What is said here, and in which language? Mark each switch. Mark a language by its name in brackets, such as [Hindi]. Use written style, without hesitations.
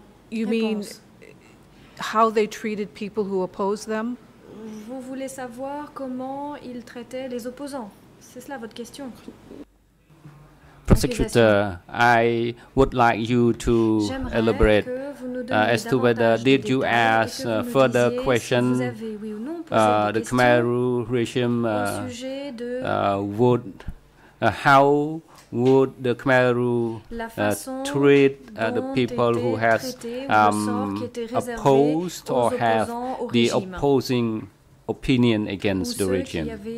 [English] You mean how they treated people who opposed them? [French] Vous voulez savoir comment ils traitaient les opposants? C'est cela votre question. [English] Prosecutor, I would like you to elaborate as to whether did you ask further question the Khmer Rouge regime how would the Khmer Rouge treat the people who has opposed or have the opposing opinion against the regime?